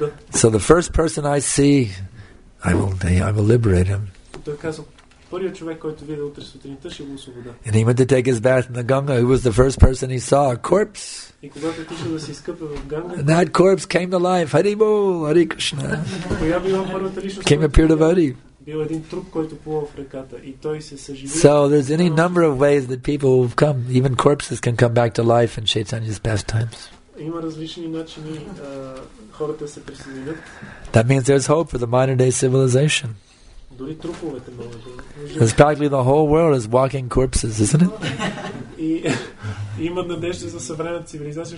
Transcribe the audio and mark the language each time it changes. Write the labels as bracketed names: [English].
[English] So the first person I see, I will liberate him. And he went to take his bath in the Ganga. Who was the first person he saw? A corpse. And that corpse came to life. Hari Bol, Hari Krishna. Came a pure devotee. [Bulgarian] бил един труп, който плува в реката и той се съживи. [English] So there's any number of ways that people who've come, even corpses can come back to life in Chaitanya's pastimes. [Bulgarian] Има различни начини хората се преживяват. [English] That means there's hope for the modern day civilization. [Bulgarian] Дори труповете могат. [English] It's practically the whole world is walking corpses, isn't it? [Bulgarian] И има надежда за съвременната цивилизация,